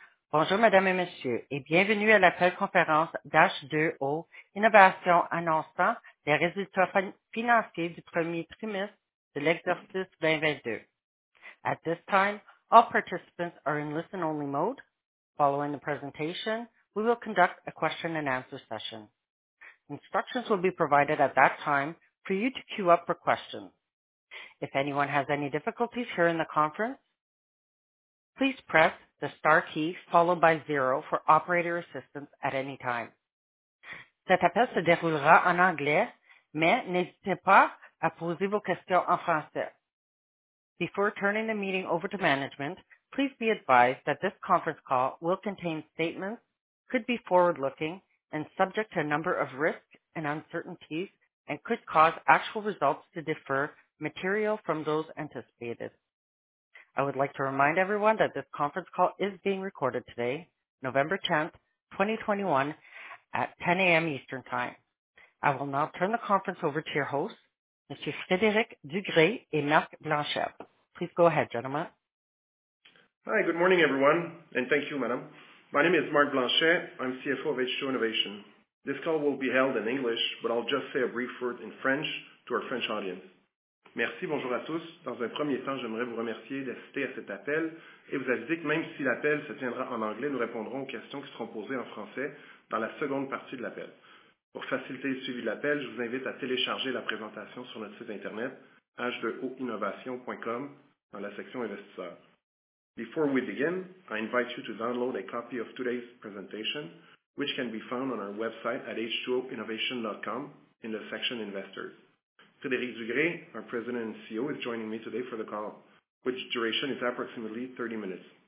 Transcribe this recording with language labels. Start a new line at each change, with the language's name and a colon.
French: Bonjour, mesdames et messieurs, et bienvenue à l'appel conférence d'H2O Innovation annonçant les résultats financiers du premier trimestre de l'exercice 2022.
English: At this time, all participants are in listen-only mode. Following the presentation, we will conduct a question-and-answer session. Instructions will be provided at that time for you to queue up for questions. If anyone has any difficulties hearing the conference, please press the star key followed by zero for operator assistance at any time.
French: Cet appel se déroulera en anglais, mais n'hésitez pas à poser vos questions en français.
English: Before turning the meeting over to management, please be advised that this conference call will contain statements, could be forward-looking, and subject to a number of risks and uncertainties, and could cause actual results to differ materially from those anticipated. I would like to remind everyone that this conference call is being recorded today, November 10th, 2021, at 10 a.m. Eastern Time. I will now turn the conference over to your hosts, Monsieur Frédéric Dugré et Marc Blanchet. Please go ahead, gentlemen. Hi, good morning, everyone, and thank you, madam. My name is Marc Blanchet. I'm CFO of H2O Innovation. This call will be held in English, but I'll just say a brief word in French to our French audience.
French: Merci, bonjour à tous. Dans un premier temps, j'aimerais vous remercier d'assister à cet appel et vous aviser que même si l'appel se tiendra en anglais, nous répondrons aux questions qui seront posées en français dans la seconde partie de l'appel. Pour faciliter le suivi de l'appel, je vous invite à télécharger la présentation sur notre site internet h2oinnovation.com dans la section investisseurs.
English: Before we begin, I invite you to download a copy of today's presentation, which can be found on our website at h2oinnovation.com in the section Investors. Frédéric Dugré, our President and CEO, is joining me today for the call, which duration is approximately 30 minutes.